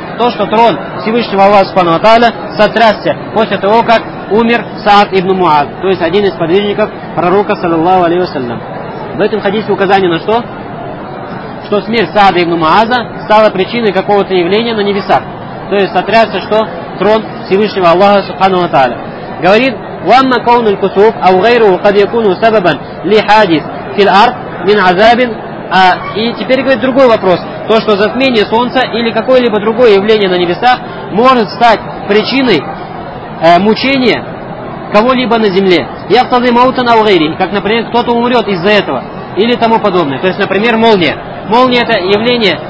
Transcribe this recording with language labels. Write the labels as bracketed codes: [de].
[ru] То, что трон Всевышнего Аллаха Субхану ва Тааля сотрясся после того, как умер Саад ибн Муаз, то есть один из подвижников пророка, саллаллаху алейхи ва саллям. В этом хадисе указание на что? Что смерть Саада ибн Мааза стала причиной какого-то явления на небесах. То есть сотрясся, что трон Всевышнего Аллаха Субхану ва Тааля. Говорит, [ar] وَمَّا كَوْنُ الْكُسُوفِ أَوْ غَيْرُهُ قَدْ يَكُونُ سَبَبًا لِحَادِثِ فِي الْأَرْضِ مِنْ عَذَابٍ. [ru] И теперь говорит другой вопрос. То, что затмение солнца или какое-либо другое явление на небесах может стать причиной мучения кого-либо на земле. [ar] يَقْتَضِ مَوْتًا أَوْ غَيْرِهِ. [ru] Как, например, кто-то умрет из-за этого. Или тому подобное. То есть, например, молния. Молния – это явление